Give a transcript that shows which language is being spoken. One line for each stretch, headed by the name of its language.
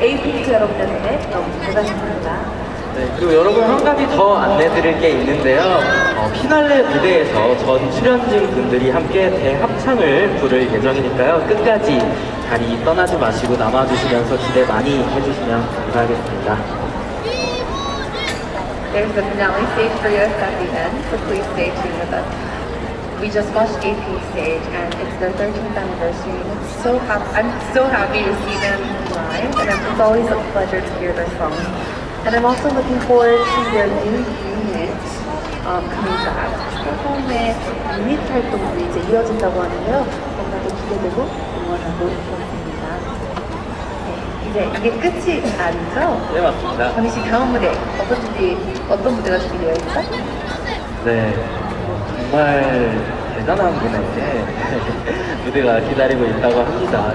Korean: 에이핑크 여러분들에게 너무 고맙습니다. 네, 그리고 여러분 한 가지 더 안내드릴 게 있는데요. 피날레 무대에서 전 출연진 분들이 함께 대합창을 부를 예정이니까요. 끝까지 자리 떠나지 마시고 남아주시면서 기대 많이 해주시면 감사하겠습니다.
English: There's the finale stage for US at the end, so please stay tuned with us. We just watched AP stage and it's their 13th anniversary. I'm so happy to see them live, and it's always a pleasure to hear their songs. And I'm also looking forward to their new unit coming back.
Korean: 처음에 유닛 활동이 이제 이어진다고 하는데요. 너무나도 기대되고 응원하고 있습니다. 이제 이게 끝이 아니죠? 네, 맞습니다. 건희 씨 다음 무대 어떤 무대가 준비되어 있어요? 네, 정말 대단한 분에게 무대가 기다리고 있다고 합니다.